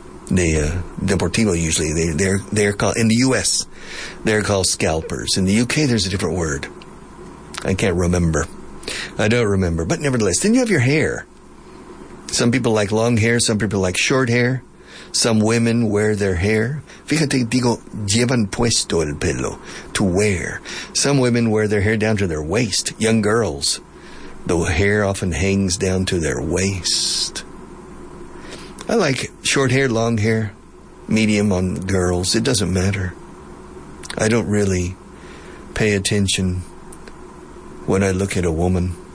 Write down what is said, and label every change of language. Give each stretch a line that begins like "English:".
English: Deportivo, usually they're called, in the U.S. they're called scalpers. In the U.K. there's a different word. I don't remember. But nevertheless, then you have your hair. Some people like long hair. Some people like short hair. Some women wear their hair.
Spanish: Fíjate, digo, llevan puesto el pelo.
English: To wear. Some women wear their hair down to their waist. Young girls. The hair often hangs down to their waist. I like short hair, long hair, medium on girls. It doesn't matter. I don't really pay attention when I look at a woman.